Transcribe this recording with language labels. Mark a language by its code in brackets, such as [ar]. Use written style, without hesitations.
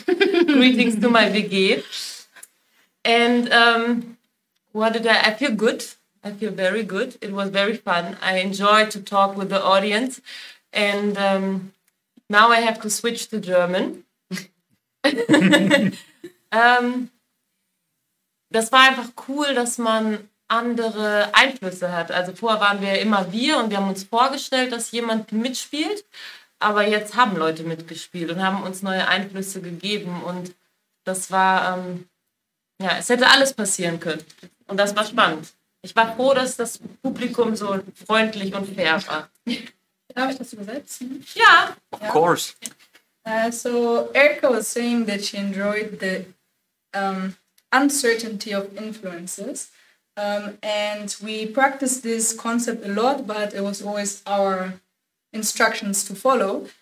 [en] Greetings to my WG. And what did I feel good. I feel very good. It was very fun. I enjoyed to talk with the audience. And now I have to switch to German. [de] das war einfach cool, dass man andere Einflüsse hat. Also vorher waren wir immer wir und wir haben uns vorgestellt, dass jemand mitspielt. Aber jetzt haben Leute mitgespielt und haben uns neue Einflüsse gegeben. Und das war, ja, es hätte alles passieren können. Und das war spannend. Ich war froh, dass das Publikum so freundlich und fair war. Darf ich das übersetzen? Ja. [en] Of course. So Erica was saying that she enjoyed the uncertainty of influences. And we practiced this concept a lot, but it was always our instructions to follow.